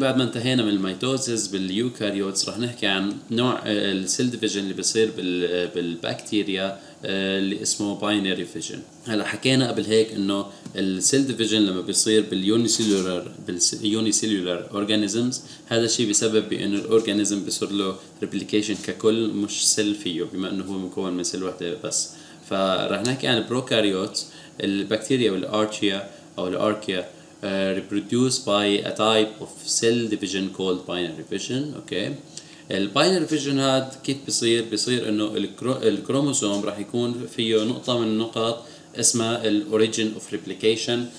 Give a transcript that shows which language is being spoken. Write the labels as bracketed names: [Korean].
[Arabic] بعد ما انتهينا من الميتوزيس باليوكاريوتس رح نحكي عن نوع السيل ديفيجن اللي بصير بالبكتيريا اللي اسمه باينري فيجن. هلا حكينا قبل هيك انه السيل ديفيجن لما بصير باليونيسيلولر اورجانيزمز هذا الشيء بسبب بانه الاورجانيزم بصير له ريبليكيشن ككل مش سيل فيه بما انه هو مكون من سيل واحده بس. فرح نحكي عن البروكاريوت البكتيريا والارشيا او الاركيا [English] reproduce by a type of cell division called binary fission. Okay. [Arabic] البينري فيجن هاد كيف بصير؟ بصير انه الكروموسوم راح يكون فيه نقطة من النقاط اسمها ال origin of replication.